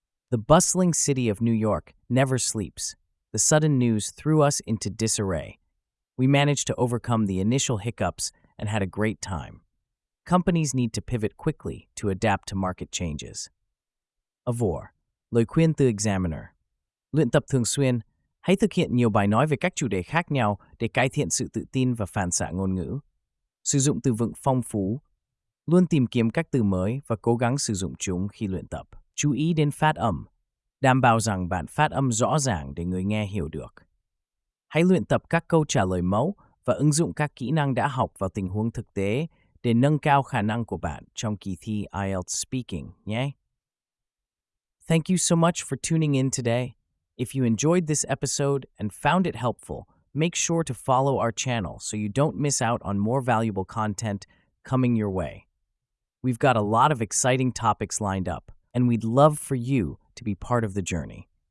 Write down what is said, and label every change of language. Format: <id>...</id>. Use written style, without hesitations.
<en>The bustling city of New York never sleeps. The sudden news threw us into disarray. We managed to overcome the initial hiccups and had a great time. Companies need to pivot quickly to adapt to market changes.</en> <vi>Avor, lời khuyên từ examiner. Luyện tập thường xuyên. Hãy thực hiện nhiều bài nói về các chủ đề khác nhau để cải thiện sự tự tin và phản xạ ngôn ngữ. Sử dụng từ vựng phong phú. Luôn tìm kiếm các từ mới và cố gắng sử dụng chúng khi luyện tập. Chú ý đến phát âm. Đảm bảo rằng bạn phát âm rõ ràng để người nghe hiểu được. Hãy luyện tập các câu trả lời mẫu và ứng dụng các kỹ năng đã học vào tình huống thực tế để nâng cao khả năng của bạn trong kỳ thi IELTS Speaking nhé!</vi> <en>Thank you so much for tuning in today. If you enjoyed this episode and found it helpful, make sure to follow our channel so you don't miss out on more valuable content coming your way. We've got a lot of exciting topics lined up, and we'd love for you to be part of the journey.</en>